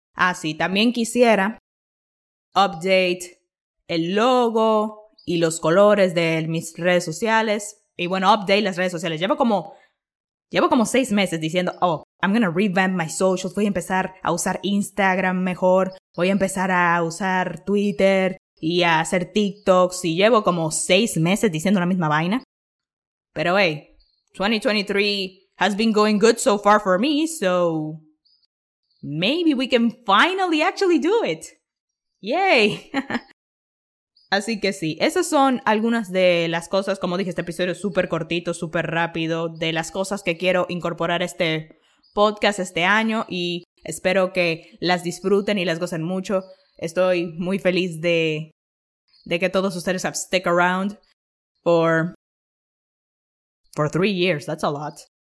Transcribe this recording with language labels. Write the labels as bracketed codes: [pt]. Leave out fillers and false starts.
[es] Ah, sí, también quisiera update el logo y los colores de mis redes sociales. Y bueno, update las redes sociales. Llevo como 6 meses diciendo, oh, [en] I'm gonna revamp my socials. [es] Voy a empezar a usar Instagram mejor. Voy a empezar a usar Twitter y a hacer TikToks. Y llevo como 6 meses diciendo la misma vaina. [en] Pero hey, 2023 has been going good so far for me. So maybe we can finally actually do it. Yay. [es] Así que sí, esas son algunas de las cosas, como dije, este episodio es súper cortito, súper rápido, de las cosas que quiero incorporar a este podcast este año y espero que las disfruten y las gocen mucho. Estoy muy feliz de que todos ustedes [en] have stick around for 3 years, that's a lot.